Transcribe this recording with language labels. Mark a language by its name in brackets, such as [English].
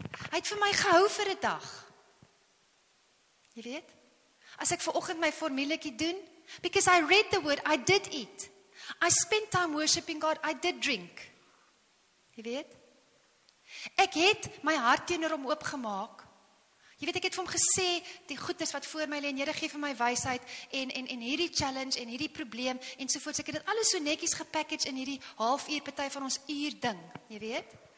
[Afrikaans] Hy het vir my gehou vir 'n dag. Jy weet? As ek vanoggend my formuletjie doen, [English] because I read the word, I did eat. I spent time worshiping God, I did drink. [Afrikaans] Jy weet? Ek het my hart teenoor hom oopgemaak. Jy weet, ek het vir hom gesê, die goeders wat voor my lê, en Here gee vir my wysheid, en hierdie challenge, en hierdie probleem, en sovoorts. Ek het alles so netjies gepackage in hierdie half uur party van ons uur ding. Jy weet?